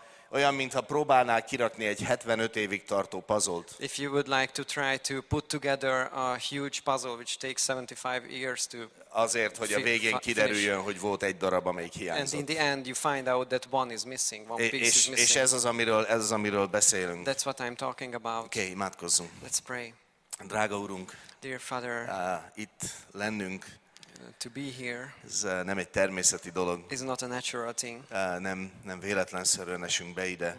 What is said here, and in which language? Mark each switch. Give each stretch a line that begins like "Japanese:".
Hungarian: Olyan, mintha próbálnál kirakni egy 75 évig tartó puzzle-t.
English: If you would like to try to put together a huge puzzle which takes 75 years to
Hungarian: azért, hogy a végén kiderüljön, hogy volt egy darab, amelyik hiányzott.
English: And in the end you find out that one is missing, one piece is missing.
Hungarian: És ez az, amiről beszélünk.
English: That's what I'm talking about.
Hungarian: Okay, imádkozzunk.
English: Let's pray.
Hungarian: Drága Urunk,
English: dear Father,
Hungarian: itt lennünk.
English: To be here.
Hungarian: Ez nem egy természeti dolog.
English: It's not a natural thing.
Hungarian: Nem véletlenszerűen esünk be ide.